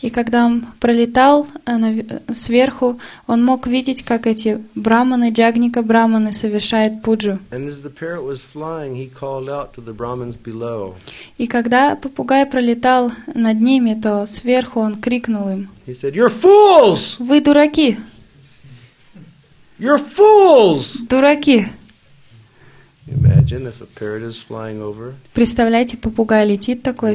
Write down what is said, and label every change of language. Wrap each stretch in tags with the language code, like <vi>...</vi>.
<ru>И когда он пролетал сверху, он мог видеть, как эти брахманы, Джагника Брахманы совершают пуджу.</ru> <en>And as the parrot was flying, he called out to the Brahmins below.</en> <ru>И когда попугай пролетал над ними, то сверху он крикнул им.</ru> <en>He said, "You're fools!"</en> <ru>Вы дураки.</ru> <en>You're fools!</en> <ru>Дураки.</ru> <en>Imagine if a parrot is flying over.</en> <ru>Представляете, попугай летит такой,</ru>